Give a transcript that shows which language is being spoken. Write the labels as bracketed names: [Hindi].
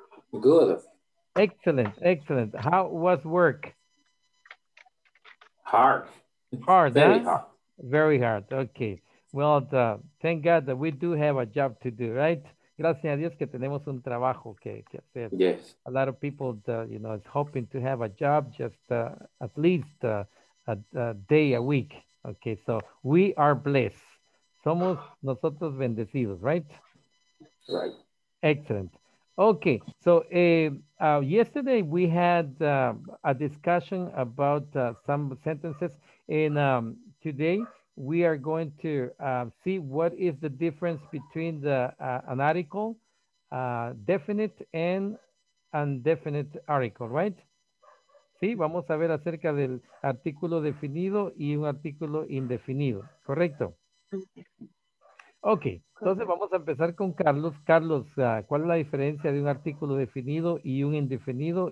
[English] Good. Excellent, excellent. How was work? Hard. Hard, very huh? Hard. Very hard, okay. Well, thank God that we do have a job to do, right? [Spanish] Gracias a Dios que tenemos un trabajo que hacer. [English] Yes. A lot of people, you know, is hoping to have a job just at least a day a week. Okay, so we are blessed. [Spanish] Somos nosotros bendecidos, [English] right? Right. Excellent. Okay, so yesterday we had a discussion about some sentences, and today we are going to see what is the difference between the an article, definite and indefinite article, right? [Spanish] Sí, vamos a ver acerca del artículo definido y un artículo indefinido, correcto. Ok, entonces vamos a empezar con Carlos. Carlos, ¿cuál es la diferencia de un artículo definido y un indefinido?